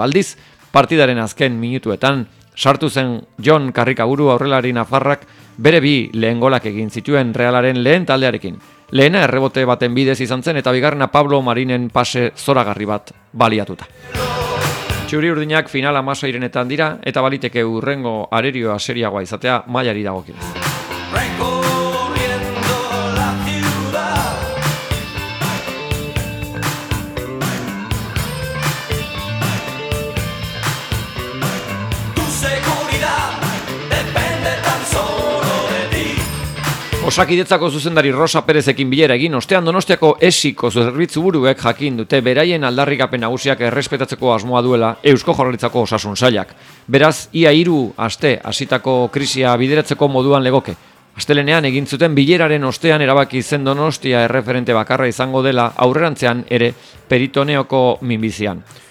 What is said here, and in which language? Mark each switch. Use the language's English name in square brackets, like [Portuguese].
[Basque] Aldiz, partidaren azken minutuetan sartu zen Jon Karrikaburu aurrelari nafarrak bere bi lehen golak egin zituen Realaren lehen taldearekin. Lehena errebote baten bidez izan zen eta bigarrena Pablo Marinen pase zoragarri bat baliatuta. Txuri urdinak final 16-renetan dira eta baliteke urrengo arerioa seriagoa izatea mailari dagokionez. [Spanish] Recorriendo la ciudad, tu seguridad depende tan solo de ti. [Basque] Osakidetzako zuzendari Rosa Perezekin bilera egin ostean Donostiako esiko zerbitzu buruek jakin dute beraien aldarrikapen nagusiak errespetatzeko asmoa duela Eusko Jaurlaritzako osasun sailak. Beraz, ia hiru aste hasitako krisia bideratzeko moduan legoke. Astelenean egin zuten bileraren ostean erabaki zen Donostia erreferente bakarra izango dela aurrerantzean ere peritoneoko minbizian.